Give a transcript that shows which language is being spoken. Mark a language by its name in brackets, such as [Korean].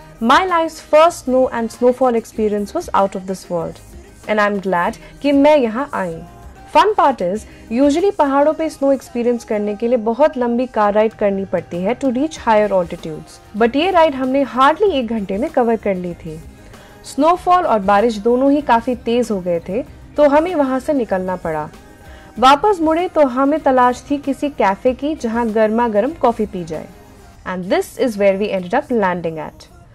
[English] My life's first snow and snowfall experience was out of this world, and I'm glad [Hindi] कि मैं यहाँ आई. [English] Fun part is, usually [Hindi] पहाड़ों पे snow experience करने के लिए बहुत लंबी car ride करनी पड़ती है [English] to reach higher altitudes. [Hindi] But ये ride हमने hardly 1 घंटे में cover कर ली थी. Snowfall और बारिश दोनों ही काफ़ी तेज हो गए थे, तो हमें वहाँ से निकलना पड़ा. वापस मुड़े तो हमें तलाश थी किसी कैफ़े की जहाँ गर्मा गर्म कॉफ़ी पी जाए. [English] And this is where we ended up landing at.